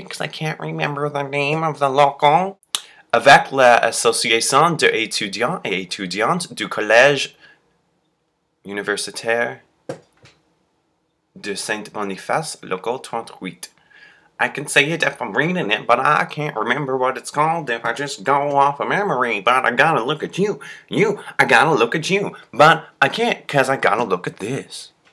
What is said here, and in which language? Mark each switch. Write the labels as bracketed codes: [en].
[en] Because I can't remember the name of the local. [fr] Avec l'association d'étudiants et étudiantes du collège universitaire... De Saint-Boniface, local 38. [en] I can say it if I'm reading it, but I can't remember what it's called if I just go off of memory. But I gotta look at you. I gotta look at you. But I can't, because I gotta look at this.